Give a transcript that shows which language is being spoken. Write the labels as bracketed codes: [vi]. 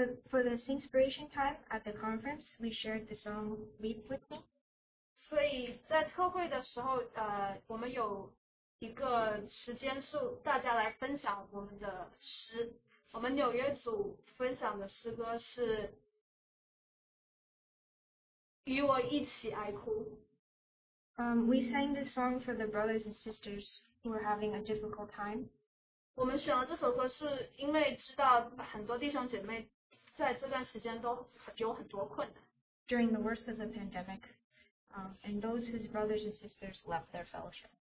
[en] For this inspiration time at the conference, we shared the song Weep With Me. [zh] 所以在特会的时候，我们有一个时间是大家来分享我们的诗，我们纽约组分享的诗歌是。 [en] We sang this song for the brothers and sisters who were having a difficult time. [zh] 我们选了这首歌是因为知道很多弟兄姐妹在这段时间都有很多困难。 [en] During the worst of the pandemic, and those whose brothers and sisters left their fellowship.